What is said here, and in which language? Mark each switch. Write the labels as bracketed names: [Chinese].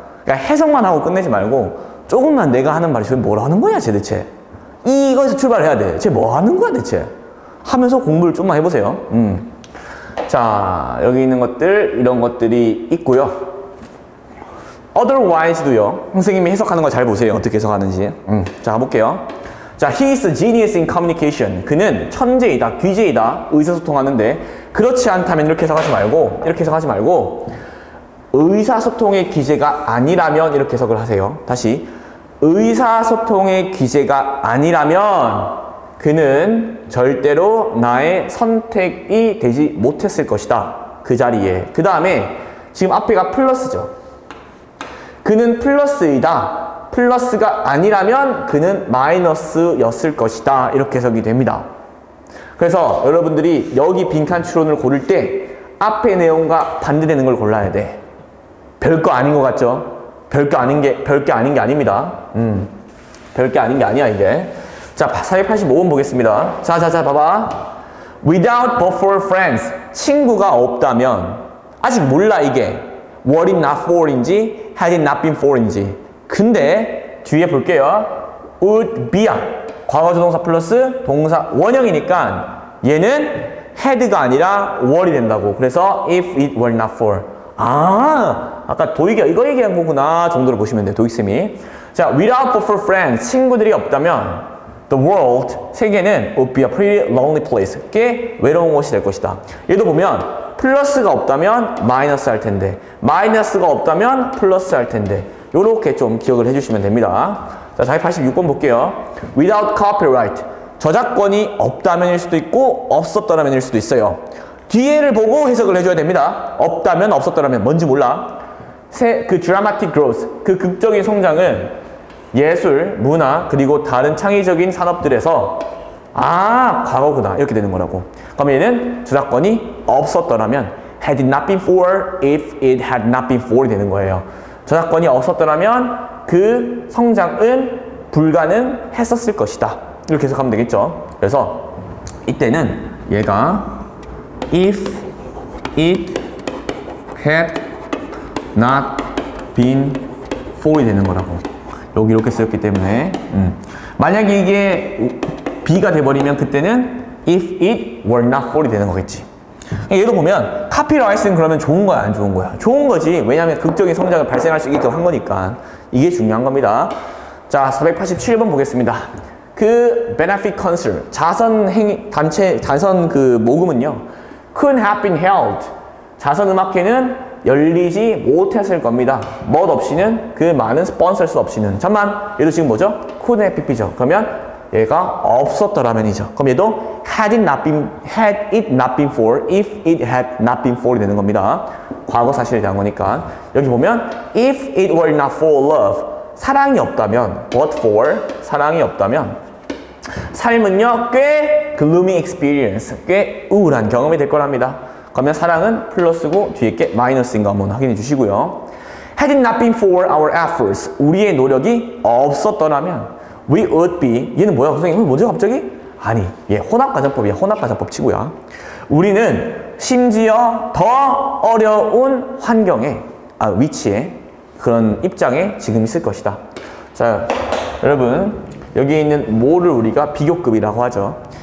[Korean] 그러니까 해석만 하고 끝내지 말고 조금만 내가 하는 말이 지금 뭐라는 거냐, 대체. 이거에서 출발해야 돼. 쟤 뭐 하는 거야, 대체? 하면서 공부를 좀만 해보세요. 자, 여기 있는 것들, 이런 것들이 있고요. Otherwise도요. 선생님이 해석하는 거 잘 보세요. 어떻게 해석하는지. 자, 가볼게요. [English] 자, he is a genius in communication. [Korean] 그는 천재이다, 귀재이다, 의사소통하는데 그렇지 않다면 이렇게 해석하지 말고 이렇게 해석하지 말고 의사소통의 기재가 아니라면 이렇게 해석을 하세요. 다시 의사소통의 기재가 아니라면 그는 절대로 나의 선택이 되지 못했을 것이다. 그 자리에. 그 다음에 지금 앞에가 플러스죠. 그는 플러스이다. 플러스가 아니라면 그는 마이너스였을 것이다. 이렇게 해석이 됩니다. 그래서 여러분들이 여기 빈칸 추론을 고를 때 앞에 내용과 반대되는 걸 골라야 돼. 별거 아닌 것 같죠? 별게 아닌 게, 별게 아닌 게 아닙니다. 별게 아닌 게 아니야, 이게. 자, 485번 보겠습니다. 자, 봐봐. [English] Without but for friends. [Korean] 친구가 없다면. 아직 몰라, 이게. [English] What it not for인지, had it not been for인지. [Korean] 근데, 뒤에 볼게요. [English] Would be [Korean] 야. 과거조동사 플러스 동사 원형이니까 얘는 had가 아니라 were이 된다고. [English] 그래서 if it were not for. [Korean] 아, 아까 도익이 이거 얘기한 거구나 정도로 보시면 돼요. 도익쌤이. [English] 자, without but for friends, [Korean] 친구들이 없다면 [English] the world, [Korean] 세계는 [English] would be a pretty lonely place, [Korean] 꽤 외로운 곳이 될 것이다. 얘도 보면 플러스가 없다면 마이너스 할 텐데, 마이너스가 없다면 플러스 할 텐데, 요렇게 좀 기억을 해주시면 됩니다. 자, 다시 86번 볼게요. [English] without copyright, [Korean] 저작권이 없다면일 수도 있고 없었더라면일 수도 있어요. 뒤에를 보고 해석을 해줘야 됩니다. 없다면, 없었더라면, 뭔지 몰라. 그 [English] dramatic growth, [Korean] 그 극적인 성장은 예술, 문화, 그리고 다른 창의적인 산업들에서 아, 과거구나. 이렇게 되는 거라고. 그럼 얘는 저작권이 없었더라면 [English] had it not been for, [Korean] if it had not been for 되는 거예요. 저작권이 없었더라면 그 성장은 불가능했었을 것이다. 이렇게 해석하면 되겠죠. 그래서 이때는 얘가 [English] if it had not been for이 되는 거라고. [Korean] 여기 이렇게 쓰였기 때문에 만약에 이게 be가 돼버리면 그때는 if it were not for이 되는 거겠지. 얘도 보면 copyright은 그러면 좋은 거야 안 좋은 거야? 좋은 거지. 왜냐하면 극적인 성장을 발생할 수 있게끔 한 거니까 이게 중요한 겁니다. 자, 487번 보겠습니다. 그 [English] benefit concert [Korean] 자선 행 단체 자선 그 모금은요 [English] couldn't have been held [Korean] 자선 음악회는 열리지 못했을 겁니다. 멋 없이는 그 많은 sponsors 없이는 잠만 얘도 지금 뭐죠? [English] couldn't have been죠. [Korean] 그러면 얘가 없었더라면이죠. 그럼 얘도 [English] had it not been had it not been for if it had not been for [Korean] 되는 겁니다. 과거 사실에 대한 거니까 여기 보면 [English] if it were not for love [Korean] 사랑이 없다면 [English] but for [Korean] 사랑이 없다면 삶은요 꽤 [English] gloomy experience [Korean] 꽤 우울한 경험이 될 거랍니다. 그러면 사랑은 플러스고 뒤에 게 마이너스인 거 한번 확인해 주시고요. [English] Had it not been for our efforts [Korean] 우리의 노력이 없었더라면 [English] we would be [Korean] 얘는 뭐야 선생님? 뭐죠 갑자기? 아니 얘 혼합과정법이야 혼합과정법 치고요. 우리는 심지어 더 어려운 환경에 아 위치에 그런 입장에 지금 있을 것이다. 자, 여러분 여기에 있는 뭐를 우리가 비교급이라고 하죠.